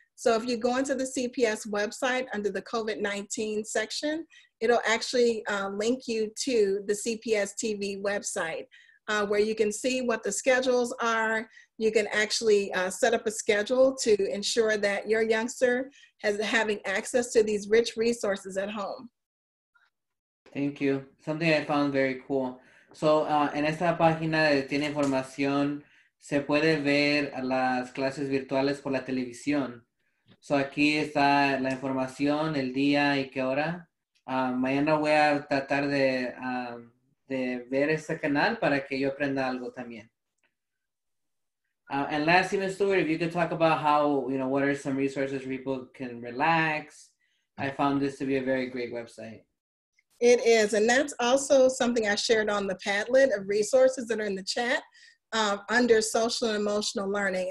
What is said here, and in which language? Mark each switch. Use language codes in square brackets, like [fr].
[en] So if you go into the CPS website under the COVID-19 section, it'll actually link you to the CPS TV website where you can see what the schedules are. You can actually set up a schedule to ensure that your youngster has having access to these rich resources at home. Thank you. Something I found very cool. [es] So en esta página tiene información, se puede ver las clases virtuales por la televisión. So aquí está la información, el día y qué hora. Mañana voy a tratar de ver este canal para que yo aprenda algo también. [en] And lastly, Ms. Stewart, if you could talk about how, you know, what are some resources people can relax. I found this to be a very great website. It is, and that's also something I shared on the Padlet of resources that are in the chat under social and emotional learning.